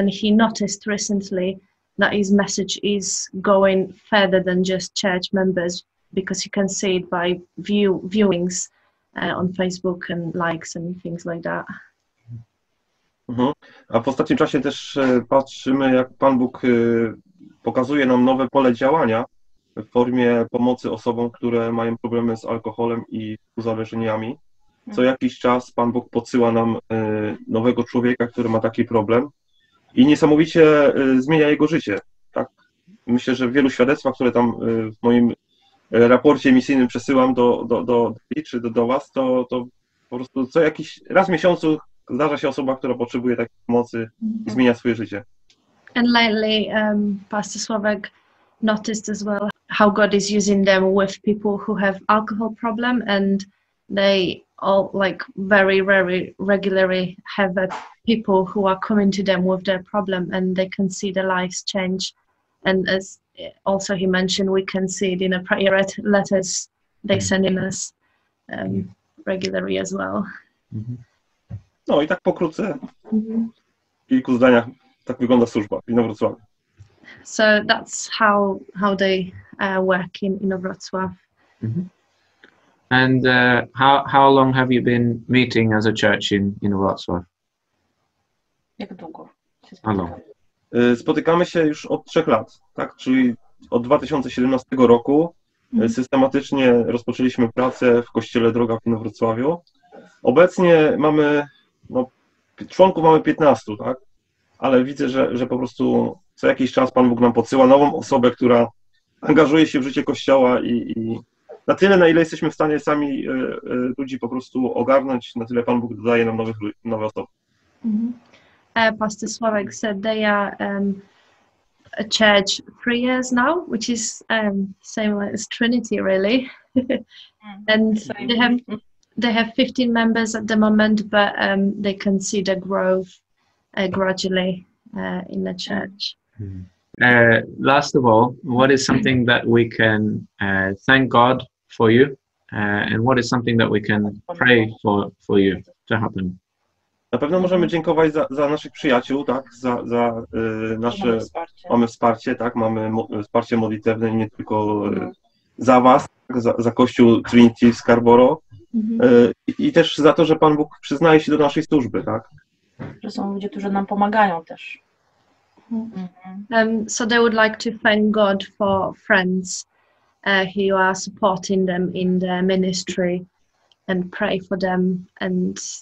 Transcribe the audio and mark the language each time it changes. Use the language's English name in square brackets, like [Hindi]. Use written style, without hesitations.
[English] And he noticed recently that his message is going further than just church members, because you can see it by viewings on Facebook and likes and things like that. Mm-hmm. [Polish] A w ostatnim czasie też patrzymy, jak Pan Bóg pokazuje nam nowe pole działania w formie pomocy osobom, które mają problemy z alkoholem i uzależnieniami. Co jakiś czas Pan Bóg podsyła nam nowego człowieka, który ma taki problem. I niesamowicie zmienia jego życie, tak? Myślę, że w wielu świadectwach, które tam w moim raporcie misyjnym przesyłam do was, to po prostu co jakiś raz w miesiącu zdarza się osoba, która potrzebuje takiej pomocy i zmienia swoje życie. [English] And lately, Pastor Słowek noticed as well how God is using them with people who have alcohol problem, and they all like very, very regularly have people who are coming to them with their problem, and they can see their lives change. And as also he mentioned, we can see it in a prayer letters they send in us regularly as well. Mm-hmm. [Polish] No i tak pokrótce, w kilku zdaniach, tak wygląda służba w Inowrocławiu. [English] So that's how they work in Inowrocław. Mm-hmm. And how long have you been meeting as a church in Wrocław? [Polish] Jak długo? [English] How long? [Polish] Spotykamy się już od 3 lat, tak? Czyli od 2017 roku systematycznie rozpoczęliśmy pracę w Kościele Droga w Inowrocławiu. Obecnie mamy, no, członków mamy 15, tak? Ale widzę, że po prostu co jakiś czas Pan Bóg nam podsyła nową osobę, która angażuje się w życie Kościoła i na tyle, na ile jesteśmy w stanie sami ludzi po prostu ogarnąć, na tyle Pan Bóg dodaje nam nowe osoby. Mm-hmm. [English] Pastor Sławek said they are a church 3 years now, which is same as Trinity, really. And they have 15 members at the moment, but they can see the growth gradually in the church. Last of all, what is something that we can thank God for you, and what is something that we can pray for you to happen? [Polish] Na pewno możemy dziękować za naszych przyjaciół, tak? Za nasze mamy wsparcie, tak? Mamy wsparcie modlitewne nie tylko za was, tak? za Kościół Trinity w Scarborough. I też za to, że Pan Bóg przyznaje się do naszej służby, tak? Że są ludzie, którzy nam pomagają też. Mm-hmm. [English] So they would like to thank God for friends who are supporting them in their ministry and pray for them and